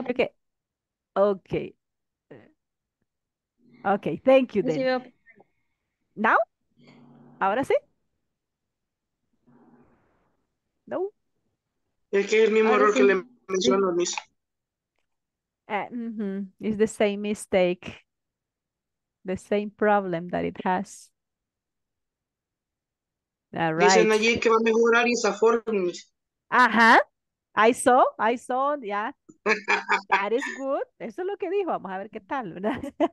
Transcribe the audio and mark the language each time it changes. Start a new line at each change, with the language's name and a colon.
English: Okay. Okay. Okay, thank you, then. ¿Now?
Spanish: ¿Ahora sí? ¿No? Es que es el mismo error que le menciono, Miss.
English: It's the same mistake, the same problem that it has. All right.
Spanish: Dicen allí que va a mejorar esa forma.
English: I saw, yeah. That is good.
Spanish: Eso es lo que dijo, vamos a ver qué tal, ¿verdad?